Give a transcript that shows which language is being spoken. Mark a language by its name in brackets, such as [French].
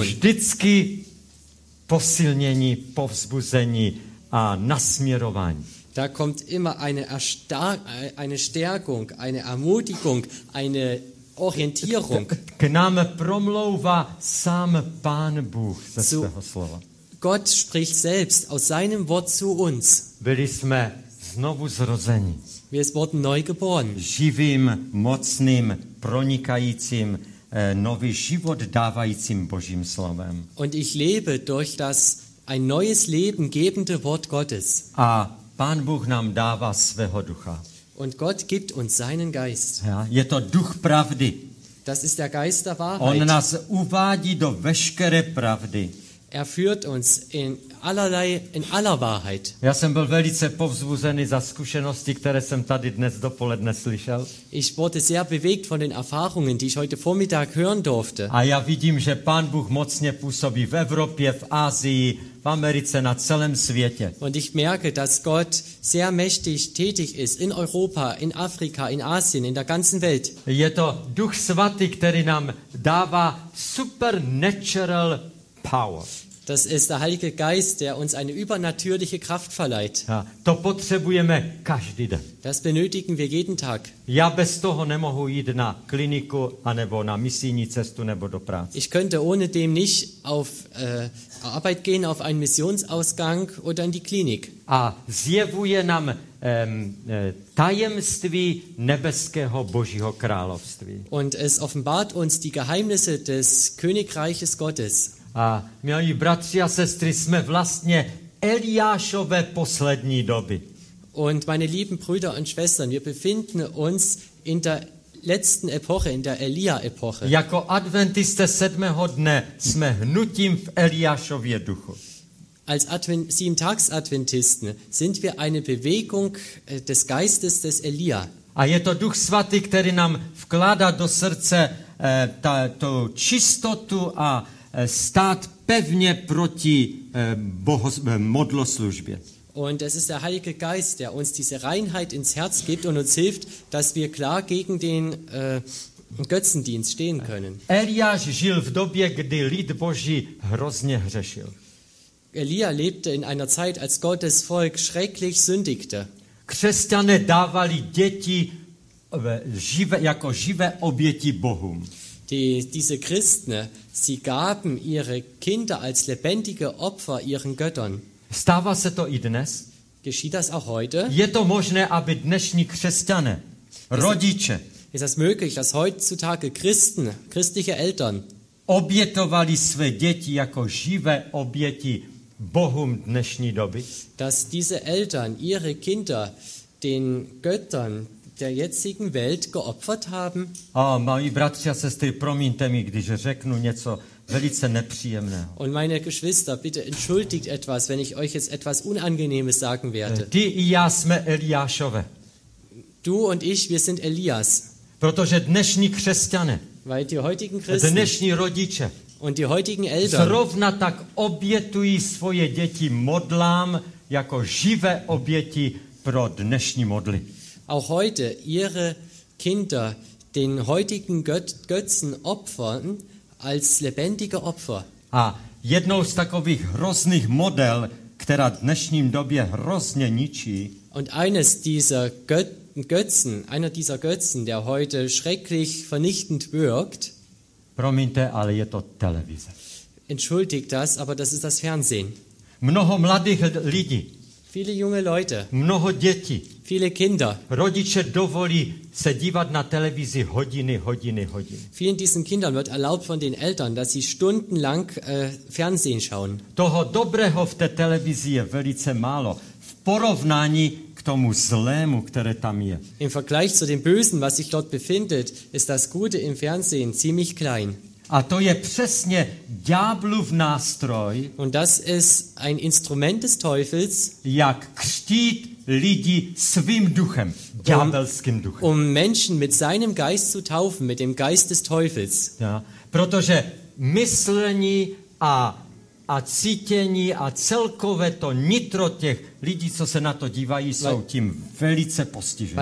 [Czech] Vždycky posilnění, povzbuzení a nasměrování. [German] Da kommt immer eine Stärkung, eine Ermutigung, eine Orientierung. [Czech] K nám promlouvá sám Pán Bůh ze svého slova. [German] Gott spricht selbst aus seinem Wort zu uns. [Czech] Byli jsme znovu zrozeni. [German] Wir wurden neu geboren. [Czech] Živým, mocným, pronikajícím, nový život dávajícím Božím slovem. [German] Und ich lebe durch das ein neues Leben gebende Wort Gottes. [Czech] A Pán Bůh nám dává svého ducha. [German] Und Gott gibt uns seinen Geist. [Czech] Ja, je to duch pravdy. [German] Das ist der Geist der Wahrheit. [Czech] On nás uvádí do veškeré pravdy. [German] Er führt uns in allerlei in aller Wahrheit. [Czech] Já jsem byl velice povzbuzený za zkušenosti, které jsem tady dnes dopoledne slyšel. [German] Ich wurde sehr bewegt von den Erfahrungen, die ich heute Vormittag hören durfte. [Czech] A já vidím, že Pán Bůh mocně působí v Evropě, v Asii, v Americe, na celém světě. [German] Und ich merke, dass Gott sehr mächtig tätig ist in Europa, in Afrika, in Asien, in der ganzen Welt. [Czech] Je to Duch Svatý, který nám dává [English] supernatural power. [German] Das ist der Heilige Geist, der uns eine übernatürliche Kraft verleiht. [Czech] Ja, to potřebujeme každý den. [German] Das benötigen wir jeden Tag. [Czech] Já bez toho nemohu jít na kliniku, anebo na misijní cestu, nebo do práce. [German] Ich könnte ohne dem nicht auf Arbeit gehen, auf einen Missionsausgang oder in die Klinik. [Czech] A zjevuje nám tajemství nebeského Božího království. [German] Und es offenbart uns die Geheimnisse des Königreiches Gottes. [Czech] A milí bratři a sestry, jsme vlastně Eliášové poslední doby. [German] Und meine lieben Brüder und Schwestern, wir befinden uns in der letzten Epoche, in der Elia-Epoche. [Czech] Jako Adventisté sedmého dne jsme hnutím v Eliášově duchu. [German] Als Sieben-Tags-Adventisten sind wir eine Bewegung des Geistes des Elia. [Czech] A je to Duch Svatý, který nám vkládá do srdce tu čistotu a stát pevně proti modloslužbě. [German] Und es ist der Heilige Geist, der uns diese Reinheit ins Herz gibt und uns hilft, dass wir klar gegen den Götzendienst stehen können. [Czech] Eliáš žil v době, kdy lid Boží hrozně hřešil. [German] Elia lebte in einer Zeit, als Gottes Volk schrecklich sündigte. [Czech] Křesťané dávali děti jako živé oběti Bohům. [German] Diese Christen, sie gaben ihre Kinder als lebendige Opfer ihren Göttern. [Czech] Stává se to i dnes? [German] Geschieht das auch heute? [Czech] Je to možné, aby dnešní křesťané, rodiče, [German] ist es möglich, dass heutzutage Christen, christliche Eltern, [Czech] obětovali své děti jako živé oběti Bohům dnešní doby? [German] Dass diese Eltern ihre Kinder den Göttern der jetzigen Welt geopfert haben. [Czech] Oh, moji bratři a sestry, promiňte mi, když řeknu něco velice nepříjemného. [German] Und meine Geschwister, bitte entschuldigt etwas, wenn ich euch jetzt etwas Unangenehmes sagen werde. [Czech] Ty i já jsme Eliášové. [German] Du und ich, wir sind Elias. [Czech] Protože dnešní křesťané, [German] weil die heutigen Christen, [Czech] dnešní rodiče [German] und die heutigen Eltern [Czech] zrovna tak obětují svoje děti modlám jako živé oběti pro dnešní modly. [German] Auch heute ihre Kinder den heutigen Götzen opfern als lebendige Opfer. [Czech] A jednou z takových hrozných model, která v dnešním době hrozně ničí. [German] Und eines dieser Götzen, einer dieser Götzen, der heute schrecklich vernichtend wirkt. [Czech] Promiňte, ale je to televize. [German] Entschuldigt das, aber das ist das Fernsehen. [Czech] Mnoho mladých lidí. [German] Viele junge Leute. [Czech] Mnoho dětí. [German] Viele Kinder. [Czech] Rodiče dovolí se dívat na televizi hodiny, hodiny, hodiny. [German] Vielen diesen Kindern wird erlaubt von den Eltern, dass sie stundenlang Fernsehen schauen. [Czech] Toho dobrého v té televizi je velice málo v porovnání k tomu zlému, které tam je. [German] Im Vergleich zu dem Bösen, was sich dort befindet, ist das Gute im Fernsehen ziemlich klein. [Czech] A to je přesně ďáblův nástroj. [German] Und das ist ein Instrument des Teufels. [Czech] Jak křtít lidi svým duchem, ďábelským duchem. [German] Um Menschen mit seinem Geist zu taufen, mit dem Geist des Teufels. [Czech] Ja, protože myslení a cítění a celkové to nitro těch lidí, co se na to dívají, jsou tím velice postižené.